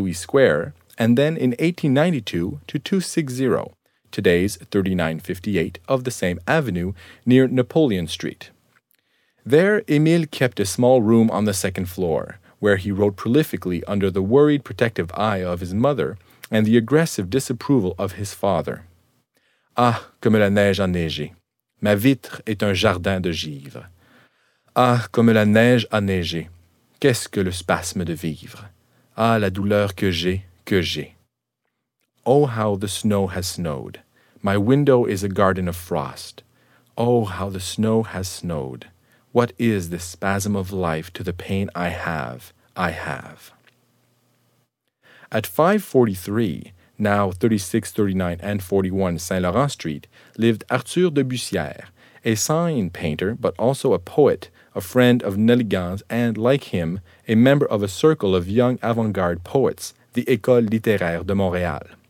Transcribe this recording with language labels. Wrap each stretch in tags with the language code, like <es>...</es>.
<en>Louis Square, and then in 1892 to 260, today's 3958 of the same avenue, near Napoleon Street. There, Émile kept a small room on the second floor, where he wrote prolifically under the worried protective eye of his mother and the aggressive disapproval of his father.</en> <fr>Ah, comme la neige enneige. Ma vitre est un jardin de givre. Ah, comme la neige a neigé. Qu'est-ce que le spasme de vivre? Ah, la douleur que j'ai, que j'ai.</fr> <en>Oh, how the snow has snowed. My window is a garden of frost. Oh, how the snow has snowed. What is this spasm of life to the pain I have, I have? At 5:43, now 3639 and 41 Saint-Laurent Street, lived Arthur de Bussière, a sign painter but also a poet, a friend of Néligan's and, like him, a member of a circle of young avant-garde poets, the École littéraire de Montréal.</en>